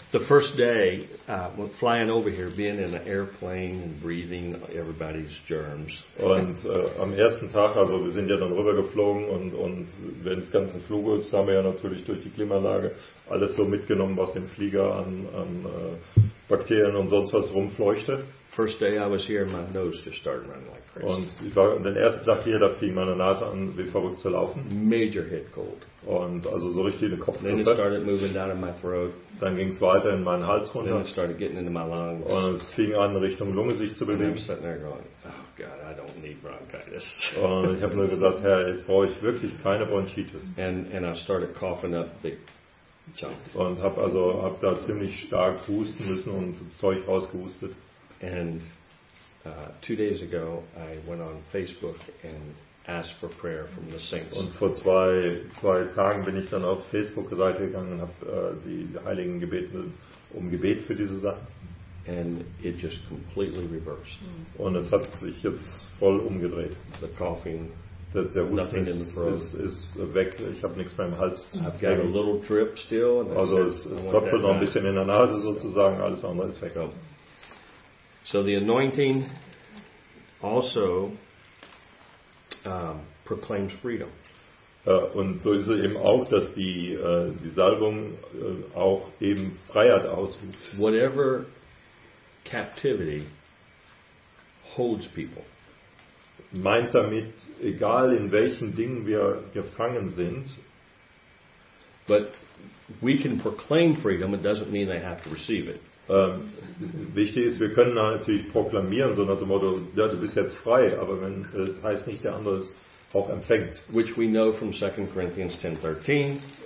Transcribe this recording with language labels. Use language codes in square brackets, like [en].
[en] The first day, flying over here, being in an airplane and breathing everybody's germs. [de] Und am ersten Tag, also wir sind ja dann rübergeflogen und während des ganzen Fluges haben wir ja natürlich durch die Klimaanlage alles so mitgenommen, was im Flieger an Bakterien und sonst was rumfleuchte. [en] First day I was here, my nose just started running like crazy. [de] Und ich war den ersten Tag hier, da fing meine Nase an, wie verrückt zu laufen. [en] Major head cold. [de] Und also so richtig den Kopf. [en] Then it started moving down in my throat. [de] Dann ging es weiter in meinen Hals runter. [en] Then it started getting into my lungs. [de] Und es fing an, Richtung Lunge sich zu bewegen. [en] And I'm sitting there going, oh God, I don't need bronchitis. [de] Und ich habe nur gesagt, Herr, jetzt brauche ich wirklich keine Bronchitis. [en] And I started coughing up the junk. [de] Und hab da ziemlich stark husten müssen und Zeug rausgehustet. [en] And 2 days ago, I went on Facebook and asked for prayer from the saints. [de] Und vor zwei Tagen bin ich dann auf Facebook-Seite gegangen und habe die Heiligen gebeten um Gebet für diese Sache. [en] And it just completely reversed. [de] Und es hat sich jetzt voll umgedreht. [en] The coughing, [de] der Husten ist weg. Ich habe nichts mehr im Hals. [en] I've got a little drip still. And [de] also es tropft noch ein bisschen in der Nase sozusagen. Alles andere ist weg. [en] So the anointing also proclaims freedom. [de] Und so ist es eben auch, dass die Salbung auch eben Freiheit ausübt. [en] Whatever captivity holds people. [de] Meint damit, egal in welchen Dingen wir gefangen sind, [en] but we can proclaim freedom, it doesn't mean they have to receive it. [de] Wichtig ist, wir können natürlich proklamieren, so nach dem Motto, ja, du bist jetzt frei, aber wenn das heißt nicht, der andere es auch empfängt. [en] Which we know from 2 Corinthians 10:13.